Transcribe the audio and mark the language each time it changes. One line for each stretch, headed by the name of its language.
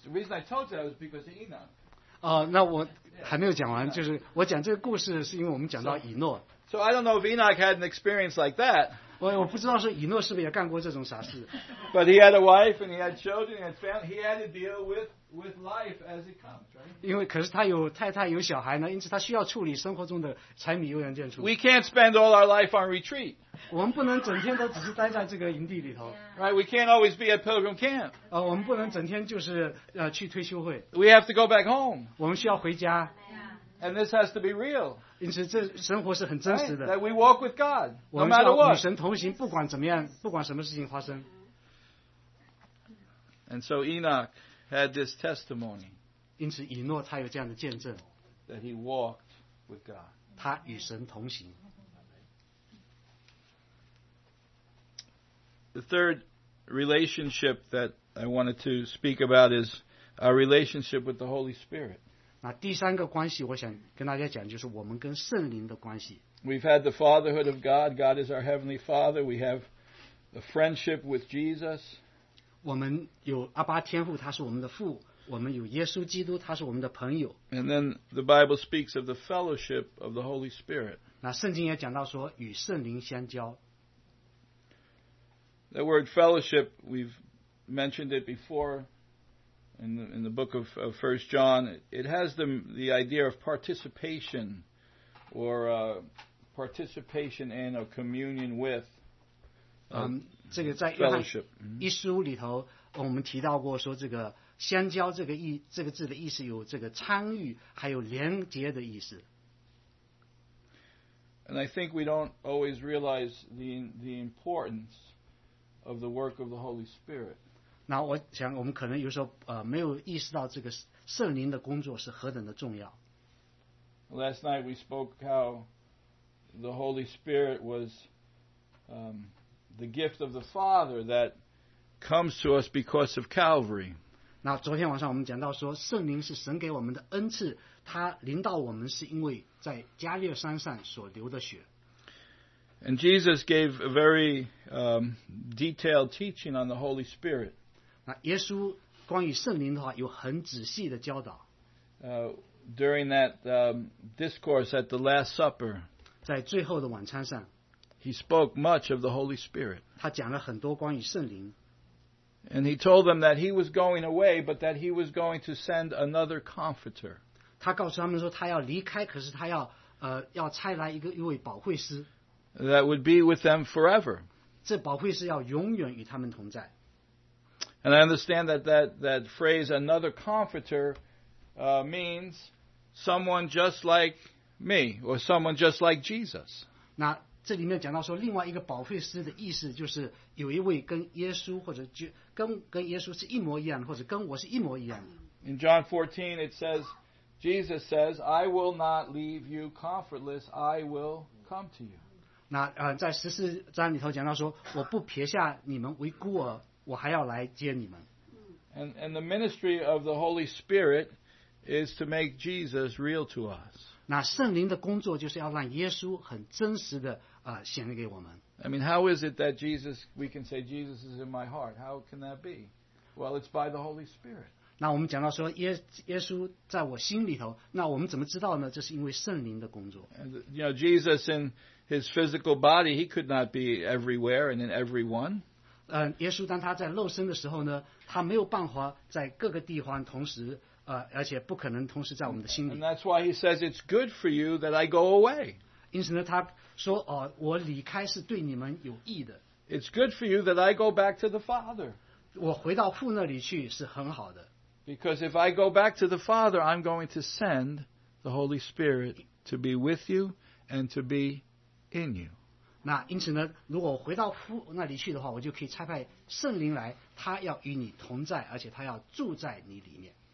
English: The reason I told you that was because of Enoch.
Chinese: 那我还没有讲完，就是我讲这个故事是因为我们讲到以诺。
English: So I don't know if Enoch had an experience like that.
Chinese: 我不知道是以诺是不是也干过这种傻事。
English: But he had a wife and he had children and he had family. He had to deal with life as it comes, right?
Chinese: 因为可是他有太太有小孩呢，因此他需要处理生活中的柴米油盐酱醋。
English: We can't spend all our life on retreat.
Chinese: 我们不能整天都只是待在这个营地里头。
English: Right, we can't always be at pilgrim camp.
Chinese: 我们不能整天就是去退休会。
English: We have to go back home.
Chinese: 我们需要回家。
English: And this has to be real.
Chinese: 因此这生活是很真实的。
English: That we walk with God, no matter what.
Chinese: 我们与神同行，不管怎么样，不管什么事情发生。
English: And so Enoch had this testimony.
Chinese: 因此以诺他有这样的见证。
English: That he walked with God.
Chinese: 他与神同行。
English: The third relationship that I wanted to speak about is our relationship with the Holy Spirit.
Chinese: 那第三个关系我想跟大家讲，就是我们跟圣灵的关系。
English: We've had the fatherhood of God. God is our heavenly father. We have the friendship with Jesus.
Chinese: 我们有阿爸天父，他是我们的父。我们有耶稣基督，他是我们的朋友。
English: And then the Bible speaks of the fellowship of the Holy Spirit.
Chinese: 那圣经也讲到说与圣灵相交。
English: That word fellowship, we've mentioned it before in the book of 1 John. It has the idea of participation or participation in or communion with fellowship.
Chinese: 这个在一书里头我们提到过说这个相交这个字的意思有这个参与还有连接的意思。
English: And I think we don't always realize the importance of the work of the Holy Spirit.
Chinese: 那我想我们可能有时候没有意识到这个圣灵的工作是何等的重要。
English: Last night we spoke how the Holy Spirit was the gift of the Father that comes to us because of Calvary.
Chinese: 那昨天晚上我们讲到说圣灵是神给我们的恩赐，他临到我们是因为在加略山上所流的血。
English: And Jesus gave a very detailed teaching on the Holy Spirit.
Chinese: 那耶稣关于圣灵的话有很仔细的教导。
English: During that discourse at the Last Supper,
Chinese: 在最后的晚餐上
English: he spoke much of the Holy Spirit.
Chinese: 他讲了很多关于圣灵。
English: And he told them that he was going away, but that he was going to send another comforter.
Chinese: 他告诉他们说他要离开，可是他要差来一位保惠师。
English: That would be with them forever.
Chinese: 这保惠师要永远与他们同在。
English: And I understand that phrase, another comforter, means someone just like me or someone just like Jesus.
Chinese: 那这里面讲到说，另外一个保惠师的意思就是有一位跟耶稣或者就跟耶稣是一模一样，或者跟我是一模一样。
English: In John 14, it says, Jesus says, "I will not leave you comfortless. I will come to you."
Chinese: 那在十四章里头讲到说，我不撇下你们为孤儿，我还要来接你们。
English: And the ministry of the Holy Spirit is to make Jesus real to us.
Chinese: 那圣灵的工作就是要让耶稣很真实的显给我们。
English: I mean, how is it that Jesus, we can say Jesus is in my heart? How can that be? Well, it's by the Holy Spirit.
Chinese: 那我们讲到说耶稣在我心里头，那我们怎么知道呢？这是因为圣灵的工作。
English: And, you know, Jesus in his physical body, he could not be everywhere and in everyone.
Chinese: 耶稣当他在肉身的时候呢，他没有办法在各个地方同时，而且不可能同时在我们的心里。
English: And that's why he says it's good for you that I go away.
Chinese: 因此呢，他说我离开是对你们有益的。
English: It's good for you that I go back to the Father.
Chinese: 我回到父那里去是很好的。
English: Because if I go back to the Father, I'm going to send the Holy Spirit to be with you and to be in you.
Chinese: 那因此呢，如果回到父那里去的话，我就可以差派圣灵来，他要与你同在，而且他要住在你里面。